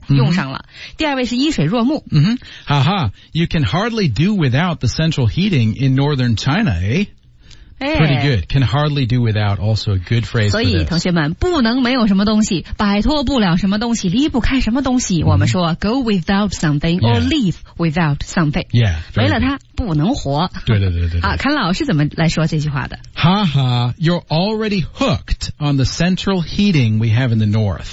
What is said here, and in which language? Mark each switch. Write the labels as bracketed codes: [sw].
[zh] 标准的句子，很棒吗？超级棒，都是学来的啊，都是人家辛辛苦苦学来的句子，用上了。第二位是依水若木。 [en] 哈哈, you can hardly do without the central heating in northern China, eh? Pretty good. Can hardly do without, also a good phrase for this. [zh] 所以同学们，不能没有什么东西，摆脱不了什么东西，离不开什么东西。我们说 [en] go without something or leave without something. Yeah, [zh] 没了它不能活。对。看老师怎么来说这句话的。 [en] Haha, you're already hooked on the central heating we have in the north.